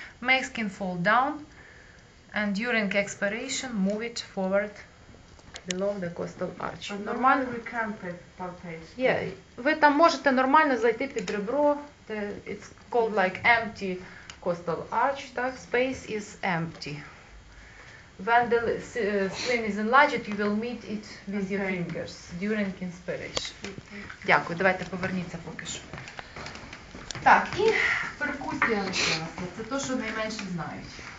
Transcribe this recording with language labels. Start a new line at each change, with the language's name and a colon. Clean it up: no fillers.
English: Make skin fall down. And during expiration, move it forward below the costal arch.
Ukrainian: Нормально
English: we can palpate.
Ukrainian: Yeah, ви там можете нормально зайти під ребро.
English: It's called like empty costal arch.
Ukrainian: Так,
English: space is empty. When the spleen is enlarged, you will meet it with your fingers during inspiration.
Ukrainian: Дякую. Давайте поверніться поки що. Так, і перкусія лише. Це то, що найменше знають.